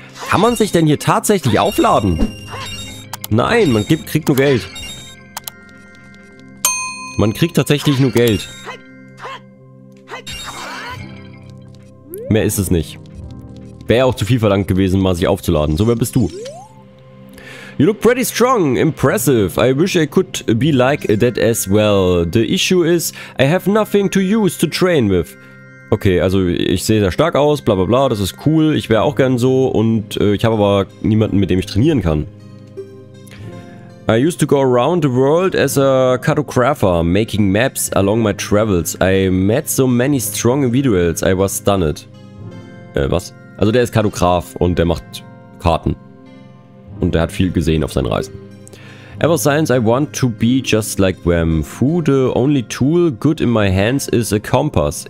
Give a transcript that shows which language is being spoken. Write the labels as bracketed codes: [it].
[de] Kann man sich denn hier tatsächlich aufladen? Nein, man kriegt nur Geld. Man kriegt tatsächlich nur Geld. Mehr ist es nicht. Wäre auch zu viel verlangt gewesen, mal sich aufzuladen. So, wer bist du? [en] You look pretty strong. Impressive. I wish I could be like that as well. The issue is, I have nothing to use to train with. [de] Okay, also ich sehe sehr stark aus, bla bla bla, das ist cool. Ich wäre auch gern so und ich habe aber niemanden, mit dem ich trainieren kann. [en] I used to go around the world as a cartographer, making maps along my travels. I met so many strong individuals, I was stunned. [de] Was? Also der ist Kartograf und der macht Karten. Und der hat viel gesehen auf seinen Reisen. [en] Ever since I want to be just like them. Food, the only tool good in my hands is a compass.